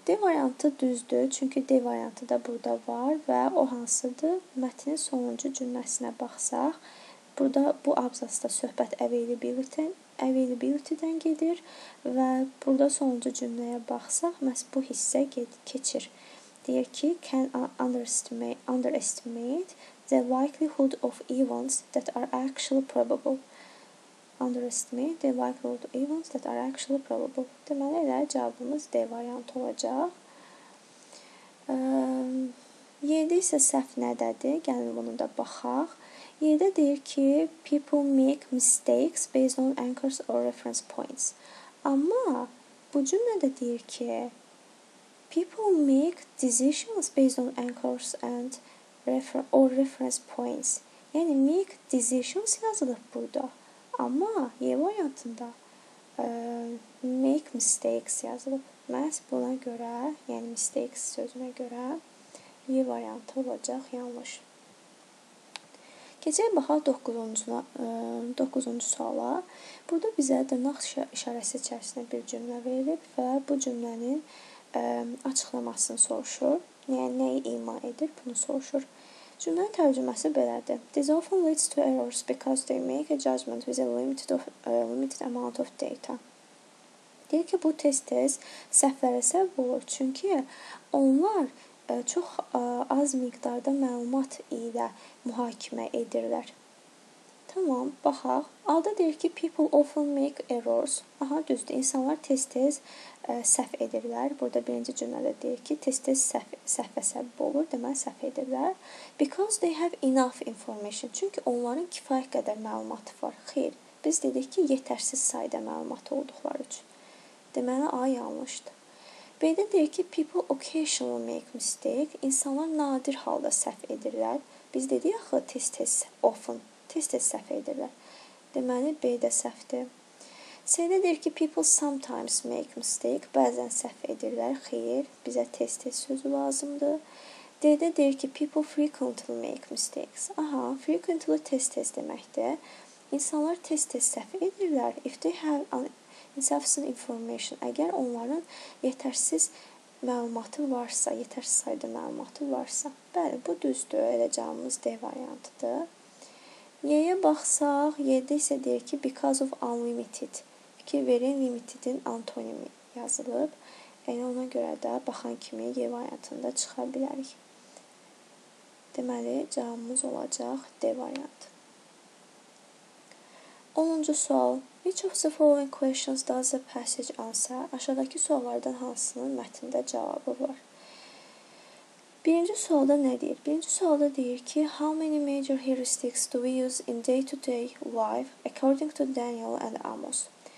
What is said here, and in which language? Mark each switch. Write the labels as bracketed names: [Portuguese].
[Azerbaijani] D variantı düzdür, çünki D variantı da burada var və o hansıdır? Mətnin sonuncu cümləsinə baxsaq, burada bu abzasda söhbət availability-dən gedir və burada sonuncu cümləyə baxsaq, məhz bu hissə keçir. Deyir ki, [English] can underestimate the likelihood of events that are actually probable. Underestimate the likelihood of events that are actually probable. [Azerbaijani] Deməli, elə cavabımız D variantı olacaq. Yerdə isə səhv nədədir? Gəlin, bunu da baxaq. Yerdə deyir ki, [English] people make mistakes based on anchors or reference points. [Azerbaijani] Amma bu cümlədə deyir ki, [English] people make decisions based on anchors and or reference points. [Azerbaijani] Yəni, make decisions yazılıb burada. Amma Y variantında make mistakes yazılıb. Məhz buna görə, yəni mistakes sözünə görə Y variantı olacaq yanlış. Keçək baxa 9-cu suala. Burada bizə dırnaq işarəsi içərisində bir cümlə verilib və bu cümlənin açıqlamasını soruşur. Yəni, nəyi ima edir, bunu soruşur. Cümlənin tərcüməsi belədir. [English] This often leads to errors because they make a judgment with a limited amount of data. [Azerbaijani] Deyir ki, bu tez-tez səhvlərə səbəb olur. Çünki onlar çox az miqdarda məlumat ilə mühakimə edirlər. Tamam, baxaq. Alda deyir ki, [English] people often make errors. [Azerbaijani] Aha, düzdür. İnsanlar tez-tez səhv edirlər. Burada birinci cümlədə deyir ki, tez-tez səhvə səbəb olur. Deməli, səhv edirlər. [English] Because they have enough information. [Azerbaijani] Çünki onların kifayət qədər məlumatı var. Xeyr, biz dedik ki, yetərsiz sayda məlumatı olduqları üçün. Deməli, A yanlışdır. B-də deyir ki, [English] people occasionally make mistakes. [Azerbaijani] İnsanlar nadir halda səhv edirlər. Biz dedik, axı, tez-tez, often, tez-tez səhv edirlər. Deməli, B-də səhvdir. C-də deyir ki, [English] people sometimes make mistakes. [Azerbaijani] Bəzən səhv edirlər. Xeyr, bizə tez-tez sözü lazımdır. D-də deyir ki, [English] people frequently make mistakes. [Azerbaijani] Aha, frequently tez-tez deməkdir. İnsanlar tez-tez səhv edirlər. [English] If they have... Insufficient information, [Azerbaijani] əgər onların yetərsiz məlumatı varsa, yetərsiz sayda məlumatı varsa. Bəli, bu düzdür, elə cavabımız D variantıdır. Y-yə baxsaq, Y-də isə deyir ki, because of unlimited, ki, verin limited-in antonimi yazılıb. Yəni, ona görə də baxan kimi Y variantında çıxa bilərik. Deməli, cavabımız olacaq D variantı. 10-cu sual. [English] Which of the following questions does the passage answer? [Azerbaijani] Aşağıdakı suallardan hansının mətndə cavabı var? Birinci sualda nə deyir? Birinci sualda deyir ki, [English] How many major heuristics do we use in day-to-day life according to Daniel and Amos?